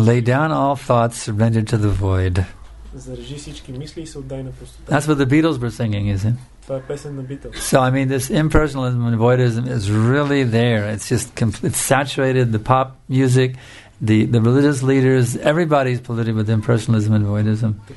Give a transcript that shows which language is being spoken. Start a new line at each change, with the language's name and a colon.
English: Lay down all thoughts, surrender to the void.
Bulgarian: Зарежи всички мисли и се отдай на пустотата.
English: That's what the Beatles were singing, isn't it? So I mean, this impersonalism and voidism is really there. It's just it's saturated the pop music, the religious leaders. Everybody's polluted with impersonalism and voidism.